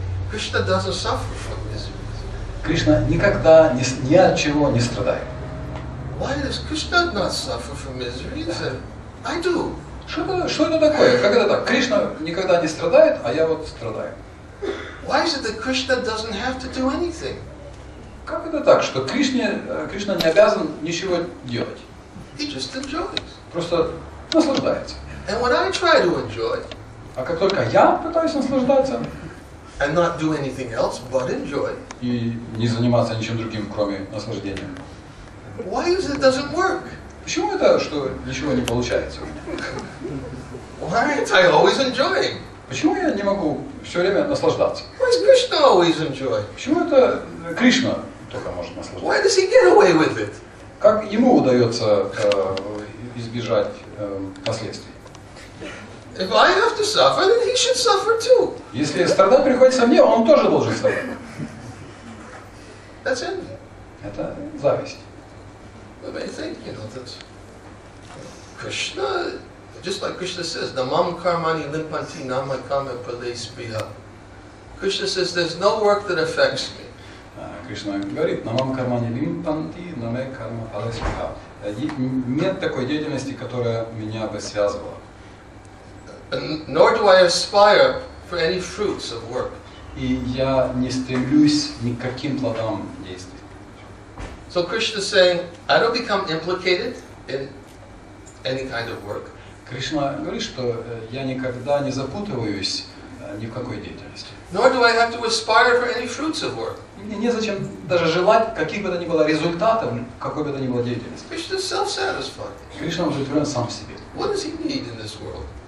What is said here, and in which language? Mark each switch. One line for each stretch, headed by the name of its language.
English: Krishna doesn't suffer from miseries.
Russian: Кришна никогда ни от чего не страдает.
English: Why does Krishna not suffer from miseries? I do.
Russian: Что это такое? Как это так? Кришна никогда не страдает, а я вот страдаю.
English: Why is it that Krishna doesn't have to do anything?
Russian: Как это так, что Кришна не обязан ничего делать?
English: He just enjoys.
Russian: Просто наслаждается.
English: And when I try to enjoy,
Russian: а как только я пытаюсь наслаждаться,
English: and not do anything else but enjoy,
Russian: и не заниматься ничем другим, кроме наслаждения,
English: why is it doesn't work?
Russian: Почему это, что ничего не получается?
English: Why aren't I always enjoying?
Russian: Почему я не могу все время наслаждаться?
English: Why does Krishna always enjoy?
Russian: Почему это Кришна только может наслаждаться?
English: Why does he get away with it?
Russian: Как ему удается избежать последствий?
English: If I have to suffer, then he should suffer too.
Russian: Если страдать приходится мне, он тоже должен страдать.
English: That's envy.
Russian: Это зависть.
English: We may think, you know, that Krishna, just like Krishna says,
Sanskrit: namam karmani limpanti nama kama pale spiha.
English: Krishna says, there's no work that affects me.
Sanskrit: Krishna
Russian: говорит,
Sanskrit: namam karmani limpanti nama kama pale spiha.
Russian: Нет такой деятельности, которая меня бы связывала.
English: Nor do I aspire for any fruits of work.
Russian: И я не стремлюсь ни к каким плодам действий.
English: So Krishna saying, I don't become implicated in any kind of work.
Russian: Кришна говорит, что я никогда не запутываюсь ни в какой деятельности.
English: Nor do I have to aspire for any fruits of work.
Russian: Мне незачем даже желать каких бы то ни было результатов, какой бы то ни было деятельности.
English: Krishna is self-satisfied.
Russian: Кришна удовлетворен сам себе.
English: What does he need in this world?